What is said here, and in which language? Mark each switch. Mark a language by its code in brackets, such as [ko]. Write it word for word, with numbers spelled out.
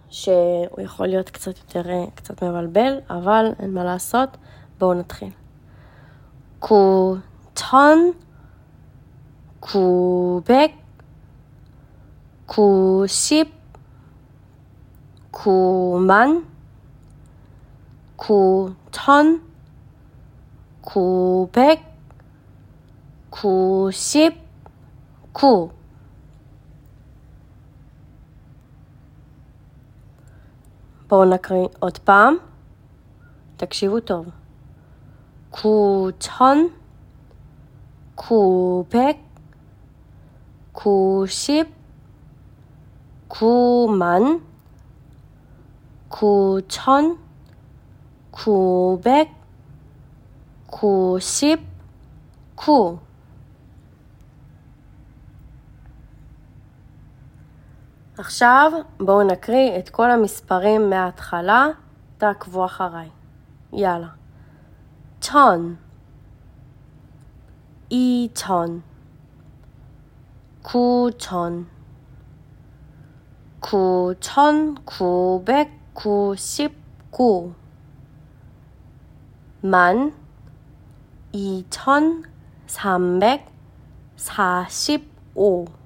[he] שהוא יכול להיות קצת יותר, קצת מבלבל, אבל אין מה לעשות. בואו נתחיל. [ko] 구천, 구백, 구십, 구만, 구천, 구백, 구십, 구. [he] בואו נקריא עוד פעם. תקשיבו טוב. [ko] 구천, 구백, 구십, 구만, 구천, 구백, 구십, 구. [he] עכשיו בואו נקריא את כל המספרים מההתחלה, תעקבו אחריי. יאללה. [ko] 천, 이천, 구천, 구천구백구십구, 만, 이천삼백사십오,